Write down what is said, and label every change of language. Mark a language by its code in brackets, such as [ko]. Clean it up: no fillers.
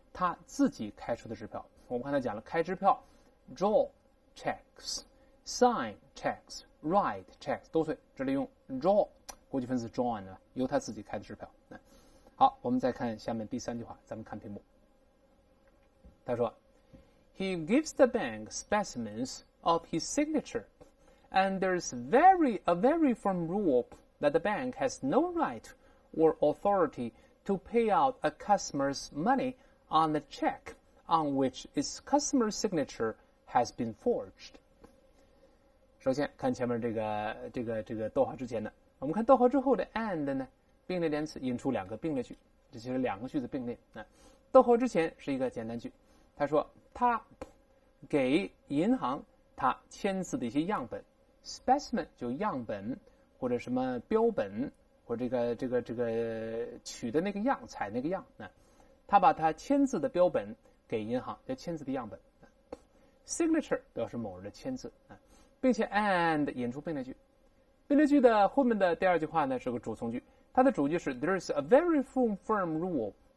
[zh] 他自己开出的支票，我们刚才讲了，开支票 ， [en] draw checks， sign checks， write checks [zh] 都对。这里用 draw， 国际分词 drawn 呢，由他自己开的支票。好，我们再看下面第三句话，咱们看屏幕。他说 [en] ，He gives the bank specimens of his signature， and there's a very firm rule that the bank has no right or authority to pay out a customer's money。 On the check on which its customer signature has been forged。 [zh] 首先看前面这个逗号之前的，我们看逗号之后的 and 呢，并列连词引出两个并列句，这其实两个句子并列。逗号之前是一个简单句，他说他给银行他签字的一些样本 ，specimen 就样本或者什么标本或者这个取的那个样采那个样，那他把他签字的标本给银行，叫签字的样本 ，signature 表示某人的签字啊，并且 and 引出并列句，并列句的后面的第二句话呢是个主从句，它的主句是 [en] there is a very firm rule。